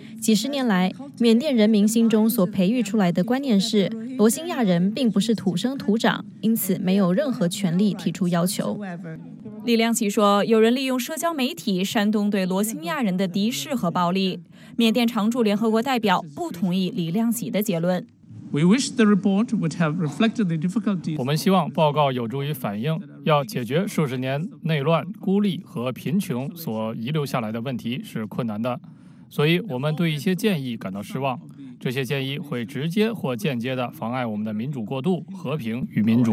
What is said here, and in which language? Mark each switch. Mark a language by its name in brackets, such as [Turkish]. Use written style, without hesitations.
[Chinese] 几十年来，缅甸人民心中所培育出来的观念是，罗兴亚人并不是土生土长，因此没有任何权利提出要求。李亮喜说，有人利用社交媒体煽动对罗兴亚人的敌视和暴力。缅甸常驻联合国代表不同意李亮喜的结论。 [English] We wish the report would have reflected the difficulties. [Chinese] 我们希望报告有助于反映要解决数十年内乱、孤立和贫穷所遗留下来的问题是困难的，所以我们对一些建议感到失望。这些建议会直接或间接地妨碍我们的民主过渡、和平与民主。